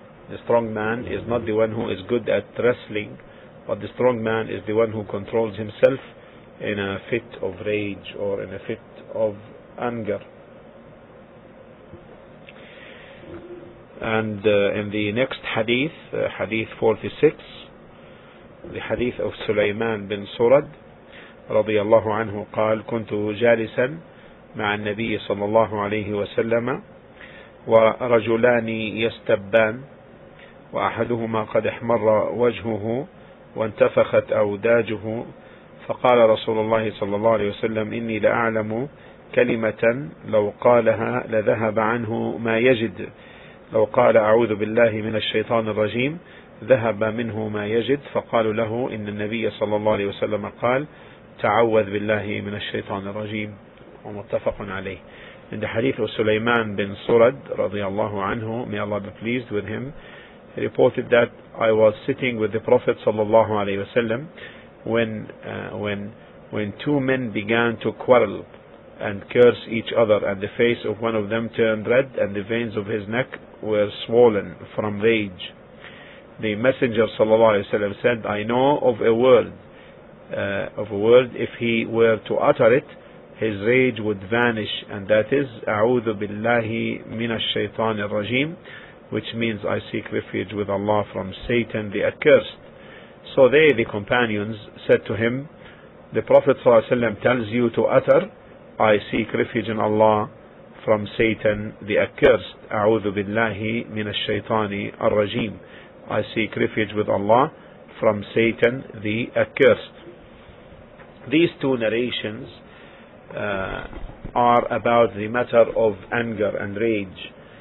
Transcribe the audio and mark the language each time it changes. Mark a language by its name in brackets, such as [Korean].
[English] The strong man is not the one who is good at wrestling, but the strong man is the one who controls himself in a fit of rage or in a fit of anger. And in the next hadith, hadith 46, the hadith of [Arabic] Sulaiman bin Surad رضي الله عنه قال: كنت جالسا مع النبي صلى الله عليه وسلم ورجلان يستبان، وأحدهما قد احمر وجهه وانتفخت أوداجه، فقال رسول الله صلى الله عليه وسلم: إني لأعلم كلمة لو قالها لذهب عنه ما يجد، لو قال أعوذ بالله من الشيطان الرجيم ذهب منه ما يجد. فقالوا له: إن النبي صلى الله عليه وسلم قال: تعوذ بالله من الشيطان الرجيم. ومتفق عليه. [English] In the hadith of Sulaiman bin Surad [Arabic] رضي الله عنه, [English] may Allah be pleased with him, he reported that I was sitting with the Prophet [Arabic] صلى الله عليه وسلم [English] when two men began to quarrel and curse each other, and the face of one of them turned red and the veins of his neck were swollen from rage. The Messenger sallallahu alaihi wasallam said, I know of a word, if he were to utter it, his rage would vanish, and that is [Arabic] أعوذ بالله من الشيطان الرجيم, [English] which means I seek refuge with Allah from Satan the accursed. So they, the companions, said to him, the Prophet ﷺ tells you to utter, I seek refuge in Allah from Satan the accursed. [Arabic] أعوذ بالله من الشيطان الرجيم. [English] I seek refuge with Allah from Satan the accursed. These two narrations are about the matter of anger and rage.